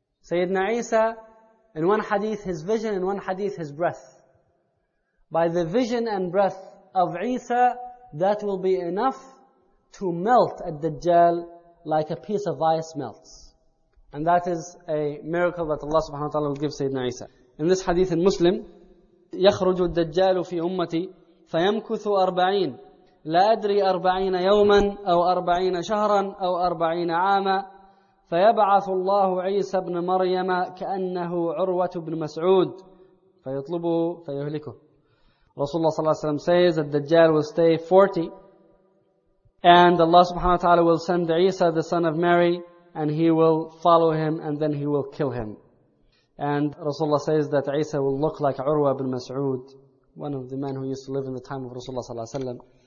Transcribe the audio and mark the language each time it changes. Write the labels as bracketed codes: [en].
[en] Sayyidina Isa, in one hadith his vision, in one hadith his breath. By the vision and breath of Isa, that will be enough to melt a Dajjal like a piece of ice melts. And that is a miracle that Allah subhanahu wa ta'ala will give Sayyidina Isa. In this hadith in Muslim, [ar] يخرج الدجال في أمتي فيمكث أربعين لا أدري أربعين يوما أو أربعين شهرا أو أربعين عاما فيبعث الله عيسى بن مريم كأنه عروة بن مسعود فيطلبه فيهلكه. رسول الله صلى الله عليه وسلم [en] says that الدجال will stay 40 and Allah subhanahu wa ta'ala will send Isa the son of Mary and he will follow him and then he will kill him. And Rasulullah says that Isa will look like Urwa ibn Mas'ud, one of the men who used to live in the time of Rasulullah sallallahu alaihi wasallam.